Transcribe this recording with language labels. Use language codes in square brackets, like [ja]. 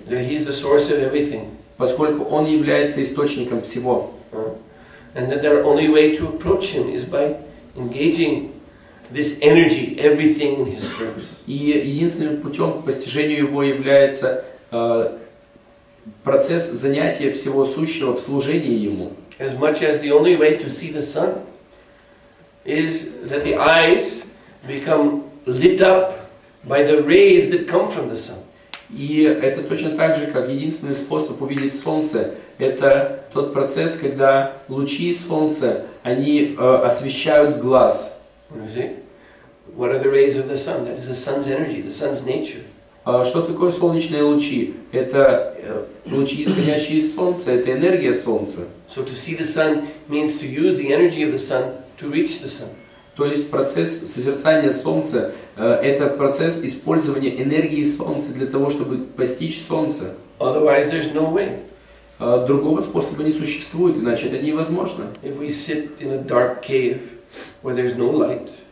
[en] That he is the source of everything. [ru] Поскольку он является источником всего. [en] And that the only way to approach him is by engaging this energy, everything in his service. [ru] И единственным путем к постижению его является процесс занятия всего сущего в служении ему. [en] As much as the only way to see the sun is that the eyes become lit up by the rays that come from the sun. [ru] И это точно так же, как единственный способ увидеть солнце, это тот процесс, когда лучи солнца, они освещают глаз. [en] You see? What are the rays of the sun? That is the sun's energy, the sun's nature. [ru] Что такое солнечные лучи? Это лучи, исходящие из солнца, это энергия солнца. [en] So to see the sun means to use the energy of the sun to reach the sun. [ru] То есть процесс созерцания солнца это процесс использования энергии солнца для того, чтобы постичь солнце. [en] Otherwise there's no way. [ru] Другого способа не существует, иначе это невозможно. [en] If we sit in a dark cave where there's no light.